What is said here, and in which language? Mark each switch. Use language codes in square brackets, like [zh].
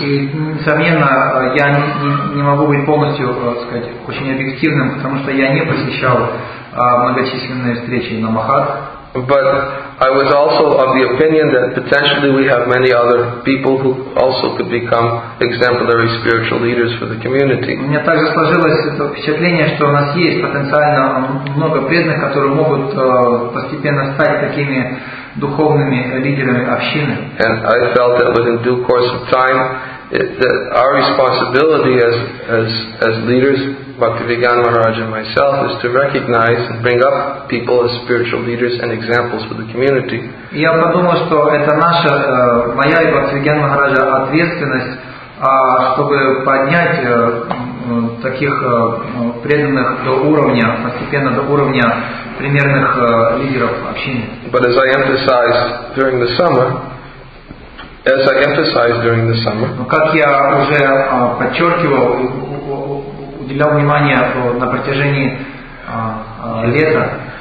[ru] И несомненно, я не могу быть полностью, сказать, очень объективным, потому что я не посещал многочисленные встречи Намахат. [en] But I was also of the opinion that potentially we have many other people who also could become exemplary spiritual leaders for the community. [ru] У меня также сложилось это впечатление, что у нас есть потенциально много преданных, которые могут постепенно стать такими духовными лидерами общины. [en] And I felt that within due course of time, that our responsibility as leaders, Bhakti Vigyan Maharaj and myself, is to recognize and bring up people as spiritual leaders and examples for the community. [ru] Я подумал, что это наша, моя и Бхакти Вигьяна Махараджа ответственность, чтобы поднять таких преданных до уровня, постепенно до уровня примерных лидеров общины. [en] But as I emphasized during the summer, as I emphasized during the summer, [ru] как я уже подчеркивал, уделял внимание на протяжении лета,